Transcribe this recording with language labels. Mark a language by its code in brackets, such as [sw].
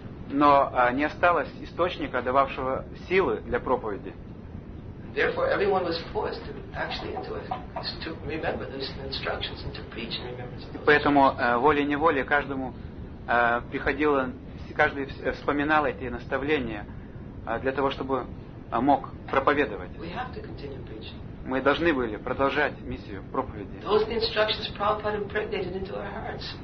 [ru] Но не осталось источника, дававшего силы для проповеди. [en] Therefore, everyone was forced to remember those instructions and to preach in remembrance of those. [ru] Поэтому волей-неволей каждому приходило, каждый вспоминал эти наставления для того, чтобы мог проповедовать. [en] We have to continue preaching. [ru] Мы должны были продолжать миссию проповеди. [en] Those instructions Prabhupada impregnated into our hearts.